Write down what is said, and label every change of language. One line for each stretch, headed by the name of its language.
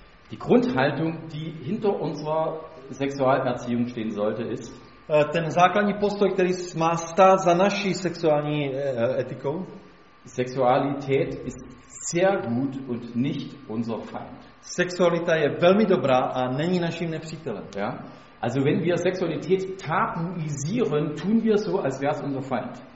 German: Die Grundhaltung, die hinter unserer Sexualerziehung stehen sollte, ist
Czech: ten základní postoj, který má stát za naší sexuální etikou,
German: Sexualität ist sehr gut und nicht unser Feind.
Czech: Sexualita je velmi dobrá a není naším nepřítelem.
German: Ja? Also wenn wir Sexualität tabuisieren, tun wir so, als wäre es unser Feind.